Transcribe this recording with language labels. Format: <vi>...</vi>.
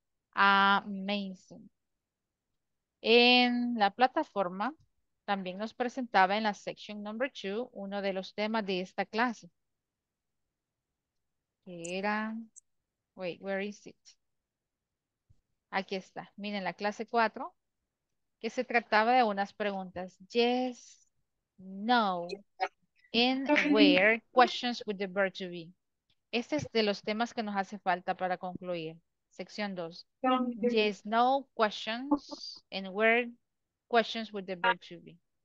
<en>Amazing.</en> <es>En la plataforma también nos presentaba en la</es> <en>section number 2</en> <es>uno de los temas de esta clase. Que era,</es> <en>wait, where is it?</en> <es>Aquí está. Miren, la clase 4, que se trataba de unas preguntas.</es> <en>Yes, no, and where questions with the verb to be.</en> <es>Este es de los temas que nos hace falta para concluir. Sección 2.</es> <en>Yes, no questions and where questions with the verb to be.</en>